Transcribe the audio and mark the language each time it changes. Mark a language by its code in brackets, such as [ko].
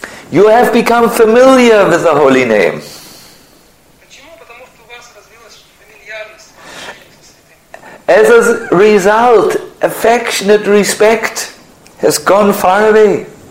[en] You have become familiar with the Holy Name. [ru] Почему? Потому что у вас развилась фамильярность с Святым. [en] As a result, affectionate respect has gone far away.